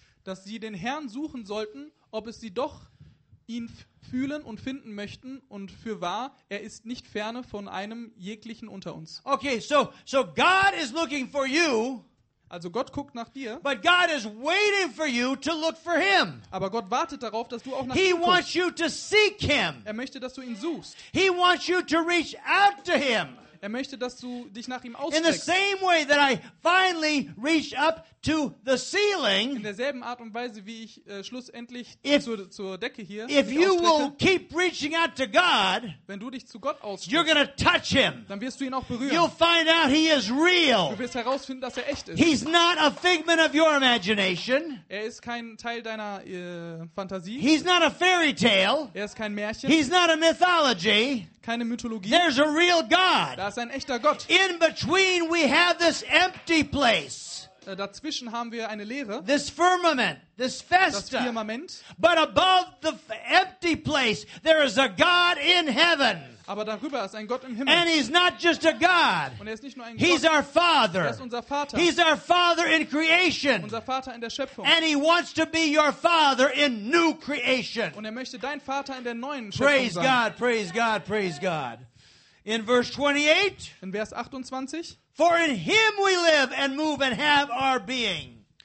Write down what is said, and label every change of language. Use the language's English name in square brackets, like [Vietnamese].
[German] Dass sie den Herrn suchen sollten, ob es sie doch ihn fühlen und finden möchten, und für wahr, er ist nicht ferne von einem jeglichen unter uns. [English] Okay, so God is looking for you. [German] Also Gott guckt nach dir. [English] But God is waiting for you to look for him. [German] Aber Gott wartet darauf, dass du auch nach [English] he [German] ihm guckst. [English] He wants you to seek him. [German] Er möchte, dass du ihn suchst. [English] He wants you to reach out to him. [German] Er möchte, dass du dich nach ihm ausstreckst. [English] In the same way that I finally reach up to the ceiling. [German] In derselben Art und Weise, wie ich schlussendlich zur Decke hier. [English] If you will keep reaching out to God, [German] wenn du dich zu Gott ausstreckst, [English] you're gonna touch him. [German] Dann wirst du ihn auch berühren. [English] You'll find out he is real. [German] Du wirst herausfinden, dass er echt ist. [English] He's not a figment of your imagination. [German] Er ist kein Teil deiner Fantasie. [English] He's not a fairy tale. [German] Er ist kein Märchen. [English] He's not a mythology. [German] Keine Mythologie. [English] There's a real God. [German] Da ist ein echter Gott. [English] In between we have this empty place. [German] Dazwischen haben wir eine Leere. [English] This firmament, this festa. [German] Das Firmament. [English] But above the empty place there is a God in heaven. [German] Aber darüber ist ein Gott im Himmel. [English] And he's not just a God. [German] Und er ist nicht nur ein Gott. [English] He's our Father. [German] Er ist unser Vater. [English] He's our Father in creation. [German] Unser Vater in der Schöpfung. [English] And he wants to be your Father in new creation. [German] Und er möchte dein Vater in der neuen Schöpfung sein. [English] Praise God, praise God, praise God. In verse 28. [German] In Vers 28. [English] For in him we live and move and have our being.